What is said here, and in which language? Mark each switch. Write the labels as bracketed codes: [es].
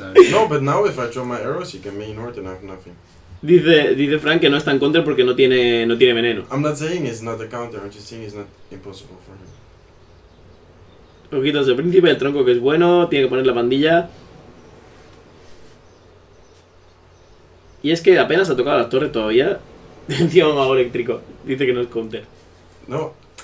[en] no, but now if I draw my arrows, you can be ignored and I have nothing. [es] Dice Frank que no está en counter porque no tiene veneno. [en] I'm not saying it's not a counter, I'm just saying it's not impossible for him. [es] Ojitos de príncipe, el tronco que es bueno, tiene que poner la pandilla. Y es que apenas ha tocado las torres todavía. Encima mago eléctrico. Dice que no es counter. No.